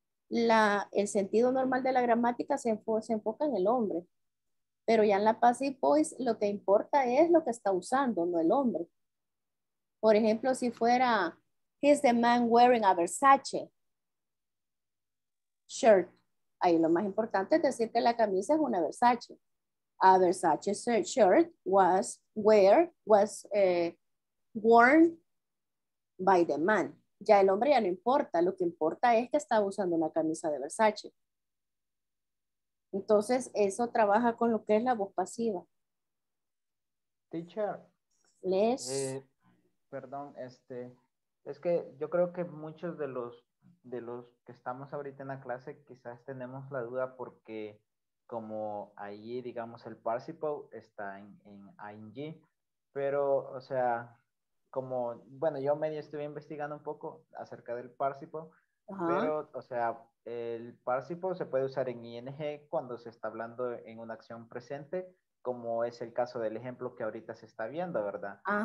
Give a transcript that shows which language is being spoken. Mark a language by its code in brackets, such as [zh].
[es] El sentido normal de la gramática se enfoca en el hombre, pero ya en la [en] passive voice [es] lo que importa es lo que está usando, no el hombre. Por ejemplo, si fuera... [en] He's the man wearing a Versace shirt. [es] Ahí lo más importante es decir que la camisa es una Versace. [en] A Versace shirt was worn by the man. [es] Ya el hombre ya no importa. Lo que importa es que estaba usando una camisa de Versace. Entonces, eso trabaja con lo que es la voz pasiva. [en] Teacher. [es] Les. Perdón, este... Es que yo creo que muchos de los que estamos ahorita en la clase quizás tenemos la duda porque como ahí, digamos, el participle está en ing, pero, o sea, como, bueno, yo medio estuve investigando un poco acerca del participle, pero, o sea, el participle se puede usar en ing cuando se está hablando en una acción presente, como es el caso del ejemplo que ahorita se está viendo, ¿verdad?